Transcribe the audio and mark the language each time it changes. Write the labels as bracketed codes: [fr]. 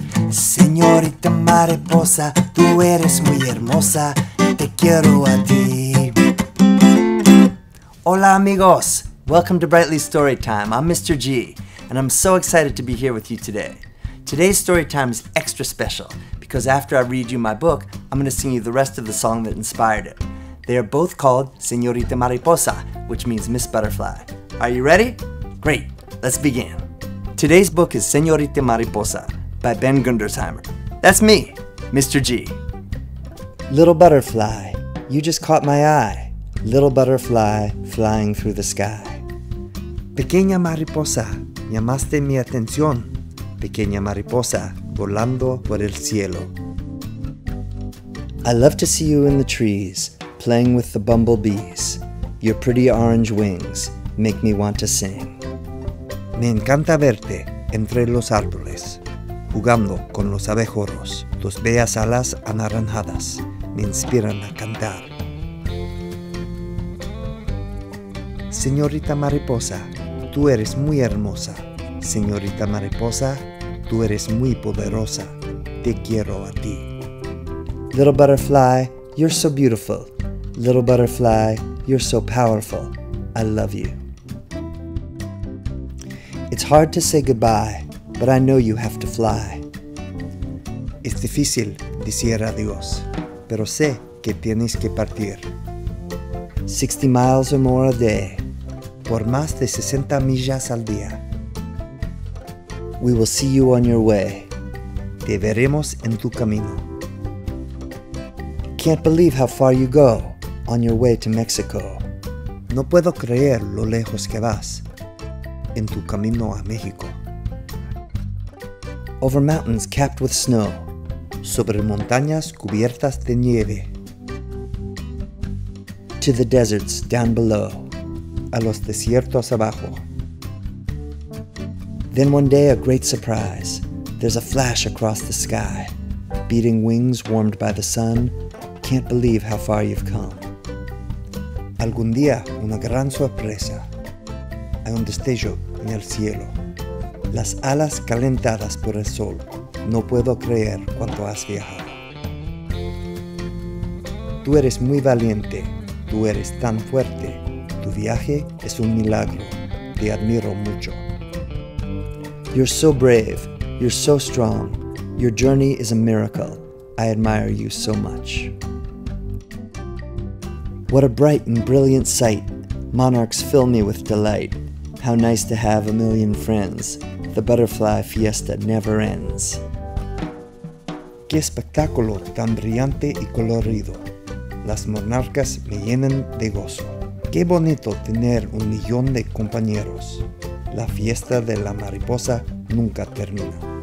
[es] Señorita Mariposa, tú eres muy hermosa, te quiero a ti. Hola amigos, [en] welcome to Brightly Storytime. I'm Mr. G, and I'm so excited to be here with you today. Today's Storytime is extra special, because after I read you my book, I'm going to sing you the rest of the song that inspired it. They are both called Señorita Mariposa, which means Miss Butterfly. Are you ready? Great, let's begin. Today's book is Señorita Mariposa, by Ben Gundersheimer. That's me, Mr. G. Little butterfly, you just caught my eye. Little butterfly flying through the sky. [es] Pequeña mariposa, llamaste mi atención. Pequeña mariposa, volando por el cielo. [en] I love to see you in the trees, playing with the bumblebees. Your pretty orange wings make me want to sing. [es] Me encanta verte entre los árboles, jugando con los abejorros, tus bellas alas anaranjadas me inspiran a cantar. Señorita mariposa, tú eres muy hermosa. Señorita mariposa, tú eres muy poderosa. Te quiero a ti. [en] Little butterfly, you're so beautiful. Little butterfly, you're so powerful. I love you. It's hard to say goodbye, but I know you have to fly. [es] Es difícil decir adiós, pero sé que tienes que partir. [en] 60 miles or more a day. [es] Por más de 60 millas al día. [en] We will see you on your way. [es] Te veremos en tu camino. [en] Can't believe how far you go on your way to Mexico. [es] No puedo creer lo lejos que vas en tu camino a México. [en] Over mountains capped with snow, [es] sobre montañas cubiertas de nieve. [en] To the deserts down below, [es] a los desiertos abajo. [en] Then one day a great surprise, there's a flash across the sky, beating wings warmed by the sun, can't believe how far you've come. [es] Algún día una gran sorpresa, hay un destello en el cielo, las alas calentadas por el sol, no puedo creer cuánto has viajado. Tú eres muy valiente, tú eres tan fuerte, tu viaje es un milagro, te admiro mucho. [en] You're so brave, you're so strong, your journey is a miracle, I admire you so much. What a bright and brilliant sight, monarchs fill me with delight. How nice to have a million friends, the butterfly fiesta never ends. [es] Qué espectáculo tan brillante y colorido, las monarcas me llenan de gozo. Qué bonito tener un millón de compañeros, la fiesta de la mariposa nunca termina.